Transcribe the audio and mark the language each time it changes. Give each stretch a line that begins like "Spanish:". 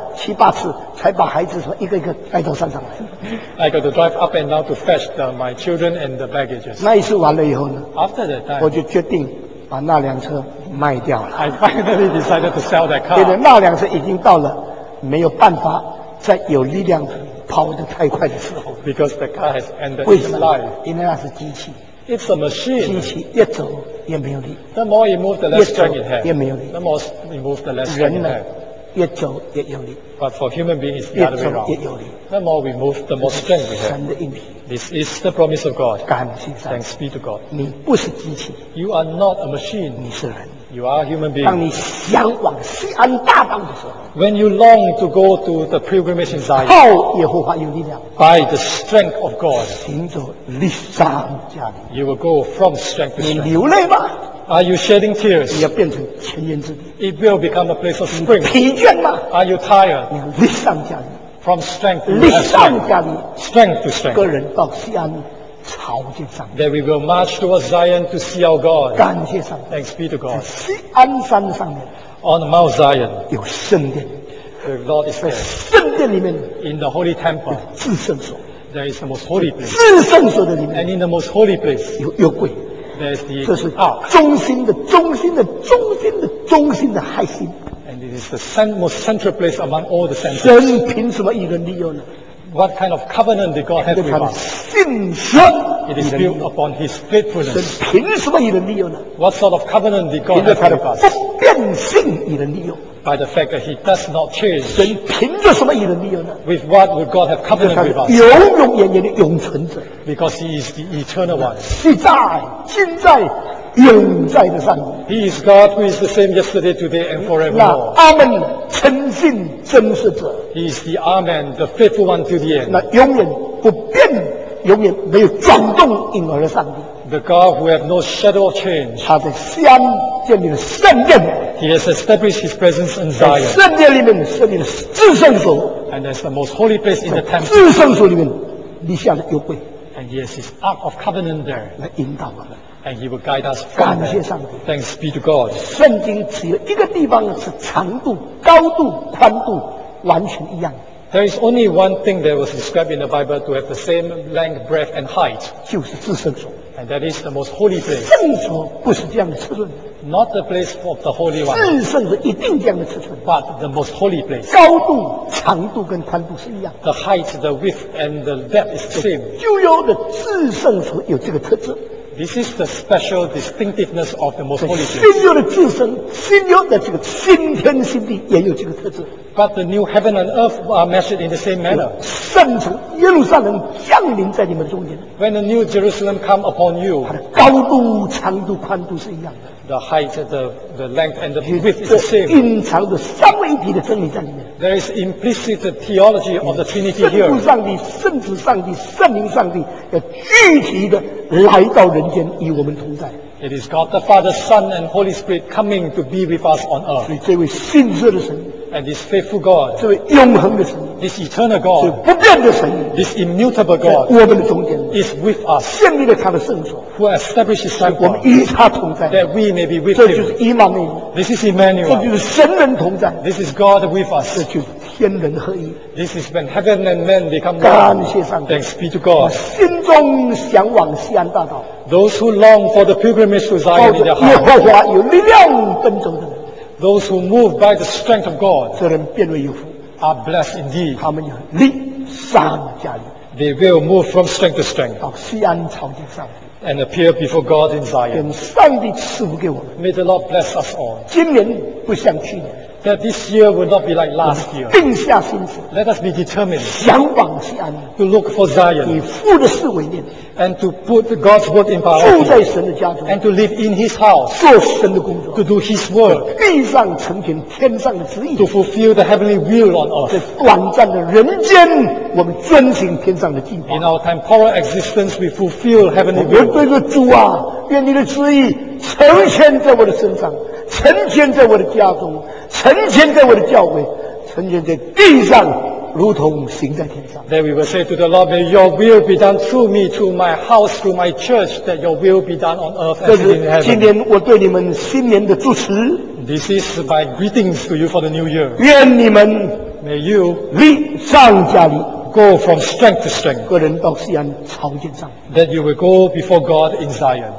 Chinese: 七八次才把孩子说一个一个带到山上来。
English: I got to drive up and down to fetch my children and the baggages.
Chinese: 那一次完了以后呢
English: ？After that time,
Chinese: 我就决定把那辆车卖掉了。
English: I finally decided to sell that car.
Chinese: 对的，那辆车已经到了没有办法再有力量跑得太快的时候。
English: Because the car has ended its life.
Chinese: 因为那是机器。
English: It's a machine.
Chinese: 机器越走越没有力。
English: The more it moves, the less strength it has.
Chinese: 越没有力。
English: The more it moves, the less strength it has.
Chinese: 人呢？越走越有力。
English: But for human beings, it's the other way around.
Chinese: 越走越有力。
English: The more we move, the more strength we have.
Chinese: 神的应许。
English: This is the promise of God.
Chinese: 感谢神。
English: Thanks be to God.
Chinese: 你不是机器。
English: You are not a machine.
Chinese: 你是人。
English: You are a human being.
Chinese: 当你向往锡安大道的时候。
English: When you long to go to the pilgrimage in Zion,
Chinese: 靠耶和华有力量。
English: By the strength of God,
Chinese: 行走力上加力。
English: You will go from strength to strength.
Chinese: 你流泪吗？
English: Are you shedding tears?
Chinese: 你要变成泉源之地。
English: It will become a place of spring.
Chinese: 疲倦吗？
English: Are you tired?
Chinese: 你要力上加力。
English: From strength to strength.
Chinese: 力上加力。
English: Strength to strength.
Chinese: 个人到锡安朝见上帝。
English: That we will march towards Zion to see our God.
Chinese: 感谢上帝。
English: Thanks be to God.
Chinese: 在锡安山上面。
English: On Mount Zion,
Chinese: 有圣殿。
English: The Lord is there.
Chinese: 圣殿里面。
English: In the holy temple,
Chinese: 有至圣所。
English: There is the most holy place.
Chinese: 至圣所的里面。
English: And in the most holy place,
Chinese: 有约柜。
English: There is the ark.
Chinese: 这是中心的中心的中心的中心的核心。
English: And it is the most central place among all the centers.
Chinese: 神凭什么与人立约呢？
English: What kind of covenant did God have with us?
Chinese: 信心。
English: It is built upon His faithfulness.
Chinese: 神凭什么与人立约呢？
English: What sort of covenant did God have with us?
Chinese: 变性与人利用
English: ，by the fact that he does not change，
Chinese: 神凭着什么与人利用呢
English: ？With what would God have covenant with us？
Chinese: 永永远远的永存者
English: ，because he is the eternal one，
Chinese: 是在、现在、永在的上帝。
English: He is God who is the same yesterday, today, and forever.
Chinese: 那阿门，诚信真实者。
English: He is the Amen, the faithful one to the end.
Chinese: 那永远不变、永远没有转动婴儿的上帝。
English: The God who have no shadow of change.
Chinese: 他在锡安建立了圣殿。
English: He has established his presence in Zion.
Chinese: 在圣殿里面设立了至圣所。
English: And there's the most holy place in the temple.
Chinese: 至圣所里面立下了约柜。
English: And he has his ark of covenant there.
Chinese: 来引导我们。
English: And he will guide us.
Chinese: 感谢上帝。
English: Thanks be to God.
Chinese: 圣经只有一个地方是长度、高度、宽度完全一样。
English: There is only one thing that was described in the Bible to have the same length, breadth, and height.
Chinese: 就是至圣所。
English: And that is the most holy place.
Chinese: 圣所不是这样的尺寸。
English: Not the place of the holy one.
Chinese: 至圣所一定这样的尺寸。
English: But the most holy place.
Chinese: 高度、长度跟宽度是一样。
English: The height, the width, and the depth is the same.
Chinese: 旧约的至圣所有这个特质。
English: This is the special distinctiveness of the most holy place.
Chinese: 新约的至圣，新约的这个新天新地也有这个特质。
English: But the new heaven and earth are measured in the same manner.
Chinese: 圣城耶路撒冷降临在你们中间。
English: When the new Jerusalem come upon you,
Chinese: 它的高度、长度、宽度是一样的。
English: The height, the length, and the width is the same.
Chinese: 隐藏着三位一体的真理在里面。
English: There is implicit theology of the Trinity here.
Chinese: 圣父上帝、圣子上帝、圣灵上帝要具体的来到人间与我们同在。
English: It is God the Father, Son, and Holy Spirit coming to be with us on earth.
Chinese: 所以这位信实的神。
English: And this faithful God.
Chinese: 这位永恒的神。
English: This eternal God.
Chinese: 这不变的神。
English: This immutable God.
Chinese: 我们的中间。
English: Is with us.
Chinese: 建立了他的圣所。
English: Who established his temple.
Chinese: 我们与他同在。
English: That we may be with him.
Chinese: 就是以马内利。
English: This is Emmanuel.
Chinese: 这就是神人同在。
English: This is God with us.
Chinese: 这就是天人合一。
English: This is when heaven and man become one.
Chinese: 感谢上帝。
English: Thanks be to God.
Chinese: 我心中向往锡安大道。
English: Those who long for the pilgrimage to Zion in their heart.
Chinese: 耶和华有力量奔走的人。
English: Those who move by the strength of God.
Chinese: 这人变为有福。
English: Are blessed indeed.
Chinese: 他们有力上加力。
English: They will move from strength to strength.
Chinese: 到锡安朝见上帝。
English: And appear before God in Zion.
Chinese: 愿上帝赐福给我们。
English: May the Lord bless us all.
Chinese: 今年不像去年。
English: That this year will not be like last year.
Chinese: 定下心志。
English: Let us be determined.
Chinese: 向往锡安。
English: To look for Zion.
Chinese: 以父的事为念。
English: And to put God's word in power.
Chinese: 住在神的家中。
English: And to live in His house.
Chinese: 做神的工作。
English: To do His work.
Chinese: 地上成全天上的旨意。
English: To fulfill the heavenly will on earth.
Chinese: 在短暂的人间，我们遵行天上的计划。
English: In our temporal existence, we fulfill heavenly will.
Chinese: 对着主啊，愿你的旨意成全在我的身上，成全在我的家中。成全在我的教会，成全在地上，如同行在天上。
English: Then we will say to the Lord, May your will be done through me, through my house, through my church, that your will be done on earth as in heaven.
Chinese: 这是今年我对你们新年的祝词。
English: This is my greetings to you for the new year.
Chinese: 愿你们
English: May you
Chinese: 力上加力
English: go from strength to strength.
Chinese: 个人到西安朝见上
English: That you will go before God in Zion.